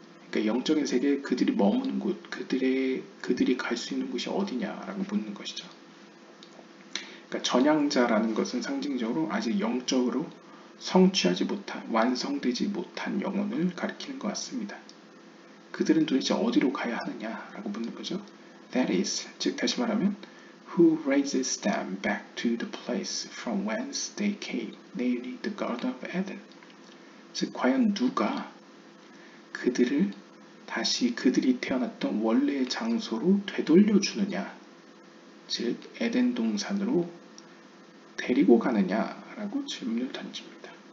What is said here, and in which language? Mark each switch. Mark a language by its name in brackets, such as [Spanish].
[Korean] 그러니까 영적인 세계에 그들이 머무는 곳, 그들이 갈 수 있는 곳이 어디냐라고 묻는 것이죠. 그러니까 전향자라는 것은 상징적으로 아직 영적으로 성취하지 못한, 완성되지 못한 영혼을 가리키는 것 같습니다. 그들은 도대체 어디로 가야 하느냐라고 묻는 거죠. [English] That is, [Korean] 즉 다시 말하면, [English] who raises them back to the place from whence they came, namely the Garden of Eden. [Korean] 즉 과연 누가 그들을 다시 그들이 태어났던 원래의 장소로 되돌려 주느냐, 즉 에덴 동산으로 데리고 가느냐라고 질문을 던집니다.